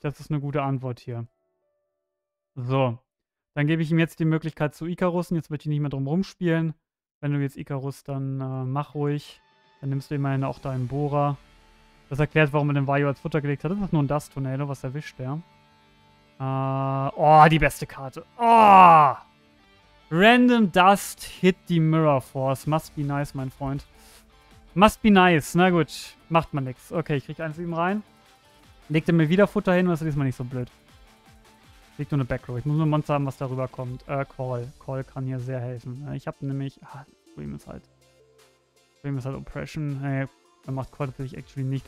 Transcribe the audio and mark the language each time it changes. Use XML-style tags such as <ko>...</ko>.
<de>Das ist eine gute Antwort hier. So. Dann gebe ich ihm jetzt die Möglichkeit zu Icarus und jetzt wird ich nicht mehr drum rumspielen. Wenn du jetzt Icarus, dann mach ruhig. Dann nimmst du immerhin auch deinen Bora. Das erklärt, warum er den Wario als Futter gelegt hat. Das ist nur ein Dust-Tornado, was erwischt er. Oh, die beste Karte. Oh!</de> <en>Random Dust hit the Mirror Force. Must be nice,</en> <de>mein Freund. Must be nice. Na gut, macht man nix. Okay, ich krieg eins eben rein. Legt er mir wieder Futter hin, was ist diesmal nicht so blöd. Liegt nur eine Backrow. Ich muss nur ein Monster haben, was darüber kommt. Call. Call kann hier sehr helfen. Ich habe nämlich... Problem ist halt Oppression. Er macht Call natürlich actually nicht.</de>